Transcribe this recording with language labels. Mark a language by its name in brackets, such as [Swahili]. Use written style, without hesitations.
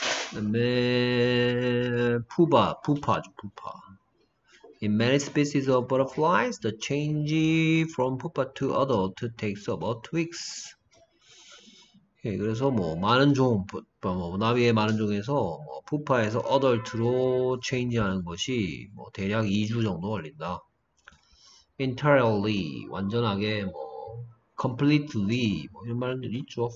[Korean] 그다음에 푸바, 푸파죠, 푸파. [English] In many species of butterflies, the change from pupa to adult takes about 2 weeks. [Korean] 그래서 뭐 많은 종, 뭐 나비의 많은 종에서 뭐 푸파에서 어덜트로 체인지하는 것이 뭐 대략 2주 정도 걸린다. Entirely, 완전하게 뭐 completely, 뭐 이런 말도 있죠.